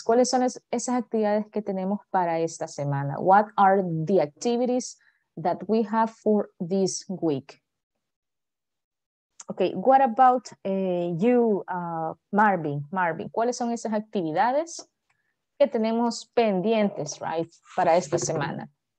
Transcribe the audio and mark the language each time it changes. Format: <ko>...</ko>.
<es>¿Cuáles son esas actividades que tenemos para esta semana?</es> <en>What are the activities that we have for this week? Okay, what about you, Marvin?</en> <es>Marvin, ¿cuáles son esas actividades que tenemos pendientes, right, para esta semana?</es>